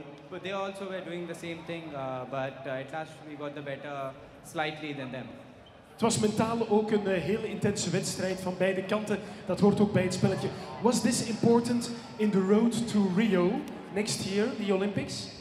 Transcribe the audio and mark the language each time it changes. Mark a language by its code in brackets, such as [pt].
[en] But they also were doing the same thing, but at last we got the better slightly than them. [nl] Het was mentaal ook een heel intense wedstrijd van beide kanten. Dat hoort ook bij het spelletje. [en] Was this important in the road to Rio next year, the Olympics?